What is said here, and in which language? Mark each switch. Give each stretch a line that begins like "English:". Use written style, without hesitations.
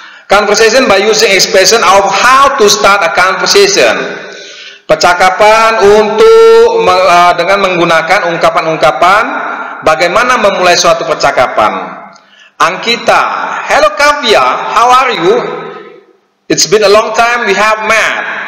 English: Conversation by using expression of how to start a conversation.
Indonesian: Percakapan untuk dengan menggunakan ungkapan-ungkapan bagaimana memulai suatu percakapan.
English: Ankita, hello Kavya, how are you? It's been a long time we have met.